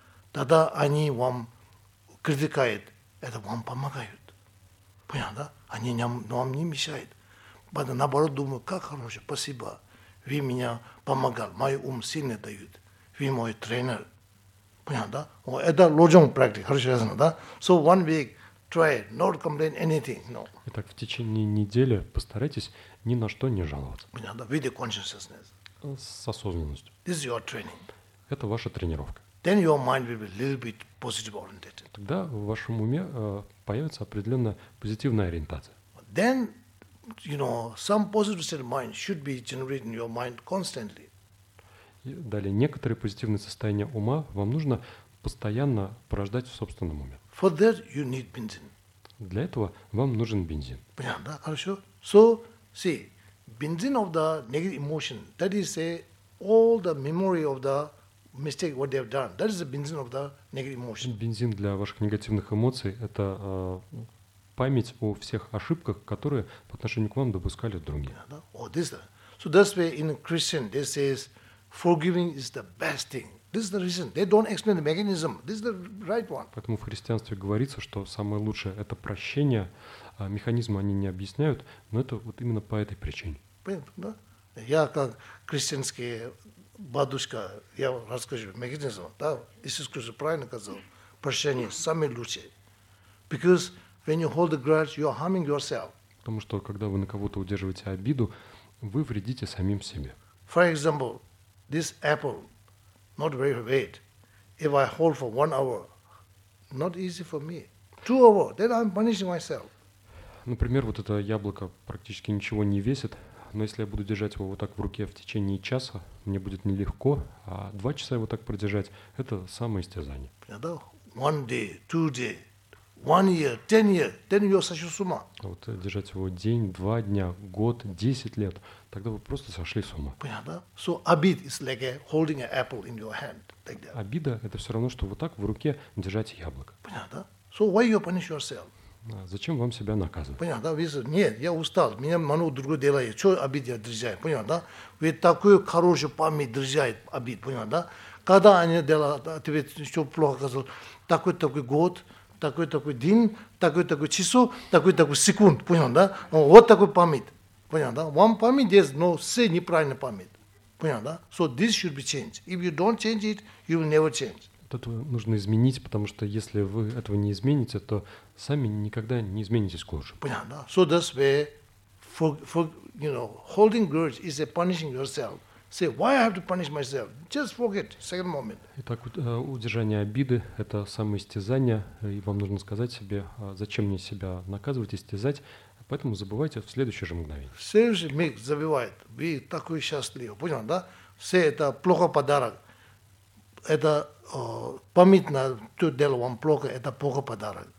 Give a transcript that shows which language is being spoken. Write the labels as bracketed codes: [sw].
[ru] Тогда они вам критикают, это вам помогают. Понял, да? Они вам не мешают. Потом, наоборот, думаю, как хорошо, спасибо. Вы меня помогали, мой ум сильно дают. Вы мой тренер. Понял, да? Это лоджонг практика, хорошо, я знаю, да? [en] So one week, try not complain anything, no. [ru] Итак, в течение недели постарайтесь ни на что не жаловаться. Понял, да? [en] With consciousness. [ru] С осознанностью. [en] This is your training. [ru] Это ваша тренировка. [en] Then your mind will be a little bit positive oriented. [ru] Тогда в вашем уме появится определенная позитивная ориентация. [en] Then, you know, some positive state of mind should be generating your mind constantly. [ru] Далее, некоторые позитивные состояния ума вам нужно постоянно порождать в собственном уме. [en] For that you need бензин. [ru] Для этого вам нужен бензин. Понятно, да? Хорошо. [en] So, see, бензин of the negative emotion, that is say, all the memory of the mistake, what they have done. That is the бензин of the negative emotion. [ru] Бензин для ваших негативных эмоций – это память о всех ошибках, которые по отношению к вам допускали другие. [en] Yeah, да? Oh, this is the... So that's why in Christian, they say, forgiving is the best thing. This is the reason. They don't explain the mechanism. This is the right one. [ru] Поэтому в христианстве говорится, что самое лучшее – это прощение. Механизмы они не объясняют, но это вот именно по этой причине. Понятно, да? Я как крестьянский бабушка, я расскажу механизм, да? Иисус Христос правильно сказал, прощение самое лучшее. [en] Because when you hold a grudge, you are harming yourself. [ru] Потому что, когда вы на кого-то удерживаете обиду, вы вредите самим себе. [en] For example, this apple, not very weight. If I hold for one hour, not easy for me. Two hour, then I'm punishing myself. [ru] Например, вот это яблоко практически ничего не весит, но если я буду держать его вот так в руке в течение часа, мне будет нелегко, а два часа его так продержать – это самоистязание. [en] One day, two day, one year, 10 years, then you [ru] сошел с ума. А вот держать его день, два дня, год, 10 лет, тогда вы просто сошли с ума. Понятно? [en] So обид is like holding an apple in your hand, like that. [ru] Обида – это все равно, что вот так в руке держать яблоко. Понятно? [en] So why you punish yourself? [ru] Зачем вам себя наказывать? Понятно, да? Нет, я устал, меня много другое дело есть. Чего обид я дрезжаю? Понятно, да? Ведь такую хорошую память дрезжает обид, понятно, да? Когда они делают, тебе все плохо сказали, такой-такой год, такой-такой день, такой-такой часу, такой-такой секунд, понятно, да? Вот такой память, понятно, да? Вам память есть, но все неправильная память, понятно, да? [en] So this should be changed. If you don't change it, you will never change. [ru] Это нужно изменить, потому что если вы этого не измените, то сами никогда не изменитесь к лучшему. Понятно, да? [en] So that's where for you know, holding grudge is a punishing yourself. Say, why I have to punish myself? Just forget, second moment. [ru] Итак, удержание обиды – это самоистязание, и вам нужно сказать себе, зачем мне себя наказывать, истязать, поэтому забывайте в следующее же мгновение. В следующий миг забывает, вы такой счастливый, понял, да? Все это плохо подарок. Это память на то дело вам плохо, это плохо подарок.